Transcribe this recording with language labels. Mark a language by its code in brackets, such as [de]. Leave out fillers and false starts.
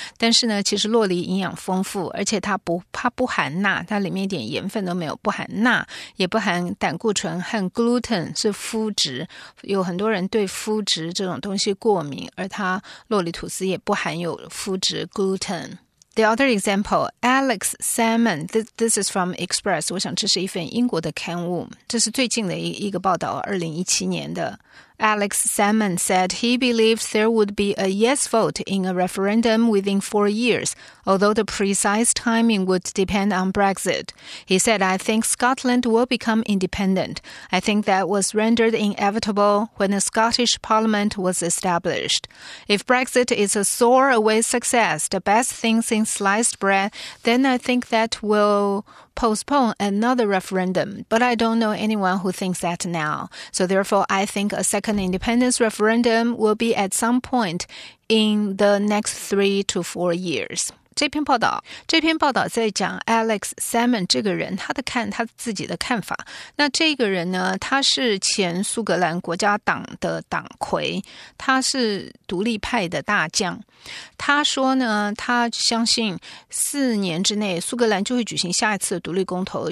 [zh] 但是呢，其实洛梨营养丰富，而且它不含钠，它里面一点盐分都没有，不含钠，也不含胆固醇和 gluten， 是麸质。有很多人对麸质这种东西过敏，而它洛梨吐司也不含有麸质 gluten。 [en] The other example, Alex Salmon, this is from Express. [zh] 我想这是一份英国的刊物。这是最近的一个报道，2017年的。 [en] Alex Salmon said he believed there would be a yes vote in a referendum within 4 years, although the precise timing would depend on Brexit. He said, I think Scotland will become independent. I think that was rendered inevitable when a Scottish Parliament was established. If Brexit is a soar away success, the best thing since sliced bread, then I think that will... postpone another referendum, but I don't know anyone who thinks that now. So therefore, I think a second independence referendum will be at some point in the next 3 to 4 years. [zh] 这篇报道在讲 Alex Salmon 这个人，他自己的看法。那这个人呢，他是前苏格兰国家党的党魁，他是独立派的大将。他说呢，他相信4年之内苏格兰就会举行下一次独立公投。